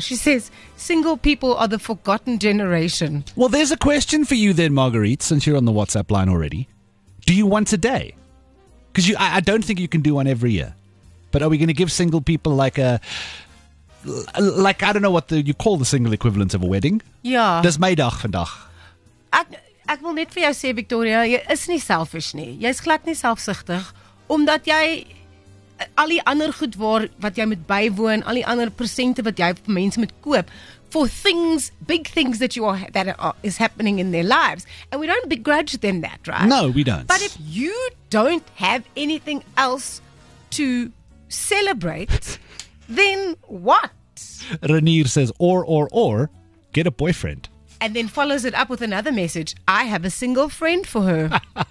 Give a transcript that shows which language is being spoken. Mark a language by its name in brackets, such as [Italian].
[English] She says, single people are the forgotten generation. Well, there's a question for you then, Marguerite, since you're on the WhatsApp line already. Do you want a day? Because I don't think you can do one every year. But are we going to give single people like I don't know what you call the single equivalent of a wedding? Yeah. [Afrikaans] Dis my dag vandag. Ek wil net vir jou sê, Victoria, jy is nie selfish nie. Jy is glad nie selfsugtig, omdat jy al die ander goed waar wat jy moet bywoon, al die ander presente wat jy vir mense moet koop, [English] for things, big things that is happening in their lives. And we don't begrudge them that, right? No, we don't. But if you don't have anything else to celebrate, then what? Ranir says, or, get a boyfriend. And then follows it up with another message. I have a single friend for her.